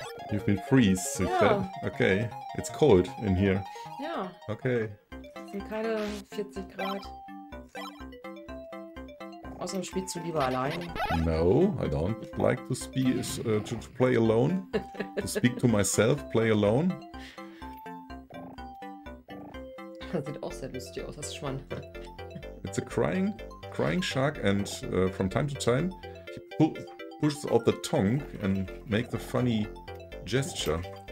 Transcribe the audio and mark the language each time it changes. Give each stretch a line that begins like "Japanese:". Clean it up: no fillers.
English: You've been freeze. So ja. Okay. It's cold in here.
German: Ja. Okay. Es sind keine 40 Grad. Außerdem spielst du lieber allein.
English: No, I don't like to to play alone. To speak to myself, play alone.
German: Das sieht auch sehr lustig aus, hast du schon.
English: It's a crying shark and from time to time he pushes out the tongue and makes a funny gesture.